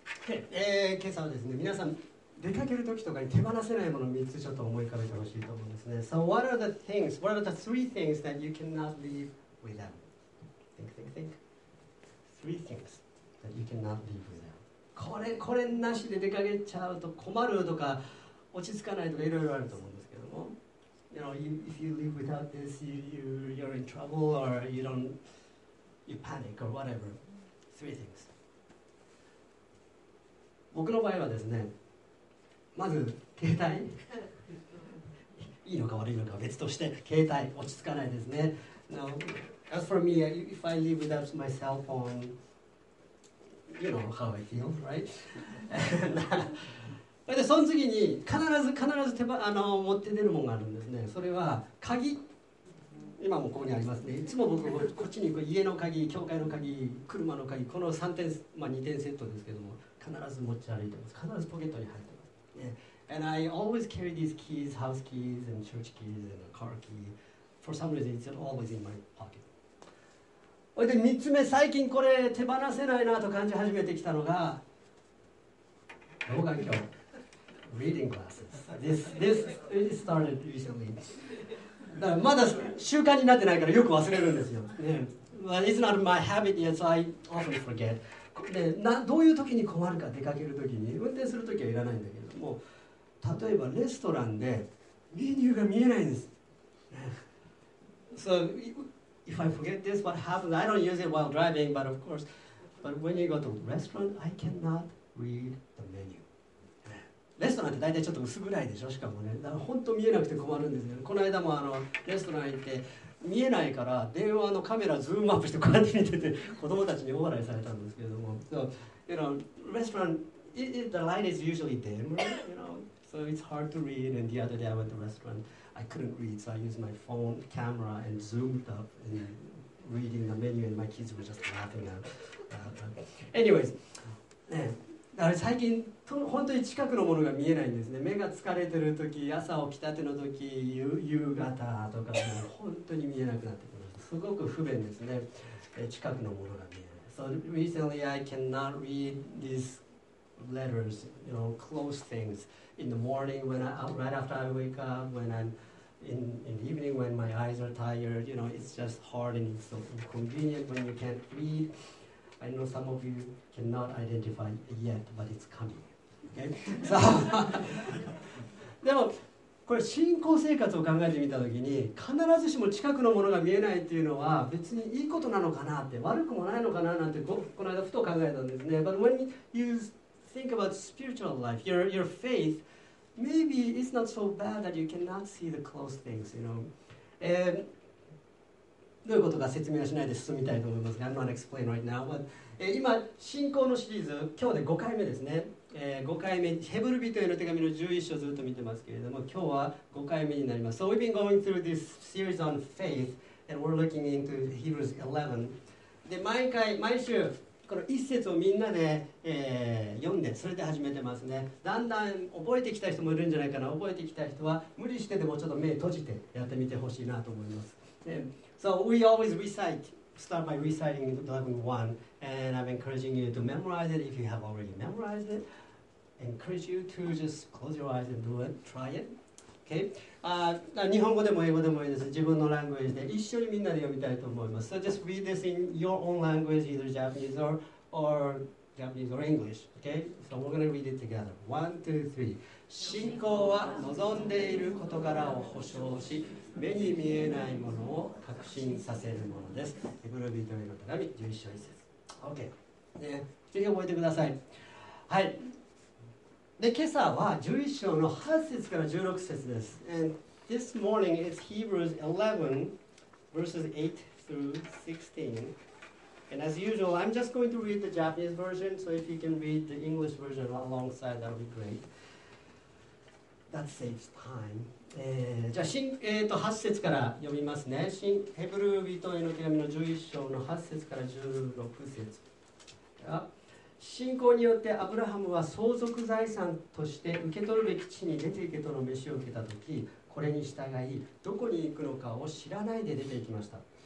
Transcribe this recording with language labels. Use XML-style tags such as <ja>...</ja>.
<ja>今朝はですね、皆さん出かけるときとかに手放せないものを3つちょっと思い浮かべてほしいと思うんですね。</ja> <en>So what are the things, what are the three things that you cannot leave without? Think, think, think. Three things that you cannot leave without.</en> <ja>これなしで出かけちゃうと困るとか落ち着かないとかいろいろあると思うんですけども。</ja> <en>You know, if you leave without this, you're in trouble or you panic or whatever. Three things.</en> <ja>僕の場合はですね、まず携帯いいのか悪いのか別として携帯落ち着かないですね。</ja> <en>Now, as for me, if I leave without my cell phone, you know how I feel, right?</en> <ja>でその次に必ず持って出るものがあるんですね。それは鍵、今もここにありますね。いつも僕こっちに行く、家の鍵、教会の鍵、車の鍵、この3点、まあ、2点セットですけども必ず持ち歩いてます。必ずポケットに入ってます。</ja> <en>And I always carry these keys, house keys, and church keys, and a car key. For some reason, it's always in my pocket.</en> <ja>で、3つ目、最近これ手放せないなと感じ始めてきたのが、老眼鏡。</ja> <en>Reading glasses. This started recently.</en> <ja>だからまだ習慣になってないからよく忘れるんですよ。</ja> <en>Well, it's not my habit yet, so I often forget.</en> <ja>で、どういう時に困るか、出かける時に、運転する時はいらないんだけど。もう例えばレストランでメニューが見えないんです。</ja> <en>So if I forget this, what happens? I don't use it while driving, but of course, but when you go to restaurant, I cannot read the menu.</en> <ja>レストランって大体ちょっと薄暗いでしょ。しかもね、だから本当見えなくて困るんですよ。この間もレストラン行って見えないから電話のカメラズームアップしてこうやって見てて子供たちに大笑いされたんですけども、</ja> <en>So, you know, restaurant. The light is usually dim, you know, so it's hard to read. And the other day I went to a restaurant, I couldn't read, so I used my phone camera and zoomed up and reading the menu, and my kids were just laughing at Anyways,</en> <ja>だから最近本当に近くのものが見えないんですね。目が疲れてる時、朝起きたての時、夕方とか、本当に見えなくなってくる。すごく不便ですね。近くのものが見えない。</ja> <en>So recently I cannot read thisLetters, you know, close things in the morning when I right after I wake up, when I'm in the evening when my eyes are tired, you know, it's just hard and it's so inconvenient when you can't read. I know some of you cannot identify yet, but it's coming.</en> <ja>Okay, so, でもこれ信仰生活を考えてみたときに必ずしも近くのものが見えないっていうのは別にいいことなのかなって悪くもないのかななんてこの間ふと考えたんですね。</ja> <en>But when you useThink about spiritual life, your faith. Maybe it's not so bad that you cannot see the close things, you know.</en> <ja>どういうことか説明をしないで進みたいと思いますが、</ja> <en>I'm not explain right now.</en> <ja>But, 今、信仰のシリーズ、今日で5回目ですね。 5回目、ヘブル人への手紙の11章をずっと見てますけれども、今日は5回目になります。</ja> <en>So we've been going through this series on faith, and we're looking into Hebrews 11.</en> <ja>で、毎週、この一節をみんなで、読んでそれで始めてますね。だんだん覚えてきた人もいるんじゃないかな。覚えてきた人は無理してでもちょっと目閉じてやってみてほしいなと思います。</ja> <en>So we always recite, start by reciting 11, and I'm encouraging you to memorize it if you have already memorized it. Encourage you to just close your eyes and do it, try it. Okay.</en> <ja>日本語でも英語でもいいです。自分のラングエージで一緒にみんなで読みたいと思います。</ja> <en>So just read this in your own language, either Japanese or Japanese or English. Okay? So we're going to read it together. 1, 2, 3.</en> <ja>信仰は望んでいる事柄を保証し、目に見えないものを確信させるものです。ヘブル人への手紙、11章1節。 Okay. ぜひ覚えてください。はい。で今朝は11章の8節から16節です。</ja> <en>And this morning is Hebrews 11 verses 8 through 16. And as usual, I'm just going to read the Japanese version. So if you can read the English version alongside, that'll be great. That saves time.</en> <ja>じゃあ8節から読みますね。ヘブル人への手紙の11章の8節から16節。信仰によってアブラハムは相続財産として受け取るべき地に出て行けとの召しを受けたとき、これに従い、どこに行くのかを知らないで出て行きました。</ja>